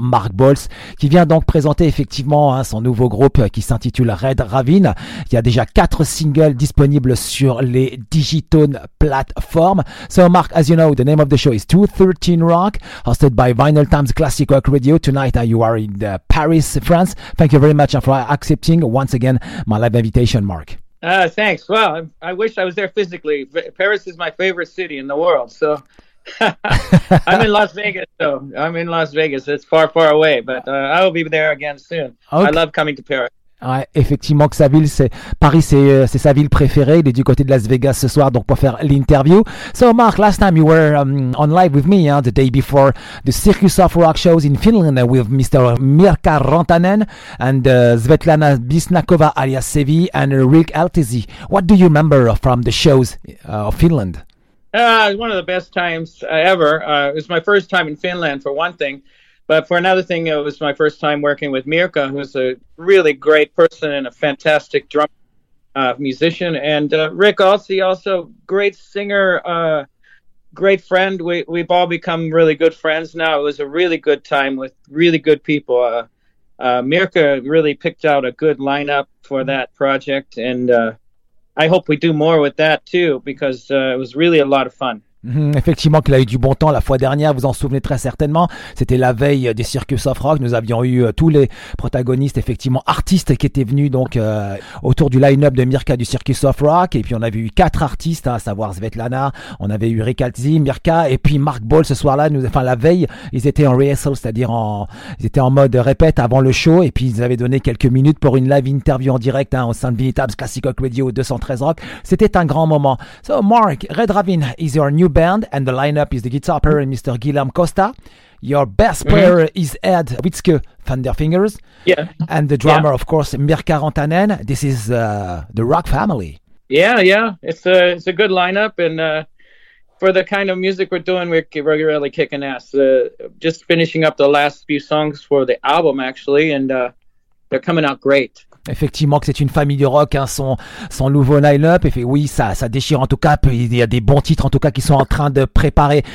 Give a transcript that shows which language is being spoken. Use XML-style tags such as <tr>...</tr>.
<fr>Mark Bowles, qui vient donc présenter effectivement hein, son nouveau groupe qui s'intitule Red Rabbit. Il y a déjà 4 singles disponibles sur les Digitone plateformes.</fr> <en>So, Mark, as you know, the name of the show is 213 Rock, hosted by Vinyl Times Classic Rock Radio. Tonight, you are in Paris, France. Thank you very much for accepting once again my live invitation, Mark. Thanks. Well, I wish I was there physically. Paris is my favorite city in the world. So I'm in Las Vegas, though. It's far, far away, but I will be there again soon. Okay. I love coming to Paris.</en> <fr>Ouais, effectivement que sa ville, c'est Paris, c'est sa ville préférée. Il est du côté de Las Vegas ce soir, donc pour faire l'interview.</fr> <en>So Mark, last time you were on live with me, the day before the Circus of Rock shows in Finland with Mr. Mirka Rantanen and Svetlana Bisnakova alias Sevi and Rick Altesi. What do you remember from the shows of Finland? One of the best times ever. It was my first time in Finland, for one thing. But for another thing, it was my first time working with Mirka, who's a really great person and a fantastic drum musician. And Rick Alsey, also great singer, great friend. We've all become really good friends now. It was a really good time with really good people. Mirka really picked out a good lineup for that project. And I hope we do more with that, too, because it was really a lot of fun.</en> <fr>Effectivement qu'il a eu du bon temps la fois dernière, vous en souvenez très certainement, c'était la veille des Circus of Rock, nous avions eu tous les protagonistes, effectivement artistes qui étaient venus donc autour du line-up de Mirka du Circus of Rock, et puis on avait eu quatre artistes, à savoir Svetlana, on avait eu Rick Alzi, Mirka et puis Mark Ball ce soir-là, enfin la veille, ils étaient en rehearsal, c'est-à-dire ils étaient en mode répète avant le show, et puis ils avaient donné quelques minutes pour une live interview en direct au sein de Vinitabs Classic Rock Radio 213 Rock, c'était un grand moment.</fr> <en>So Mark, Red Ravine is your new band and the lineup is the guitar player Mr. Guillaume Costa. Your bass player is Ed Witzke Thunderfingers. Yeah. And the drummer, of course, Mirka Rantanen. This is the rock family. Yeah. It's a good lineup, and for the kind of music we're doing, we're really kicking ass. Just finishing up the last few songs for the album, actually, and they're coming out great.</en> <fr>Effectivement que c'est une famille de rock, hein, son nouveau line-up. Et fait, oui, ça déchire en tout cas. Il y a des bons titres en tout cas qui sont en train de préparer.</fr>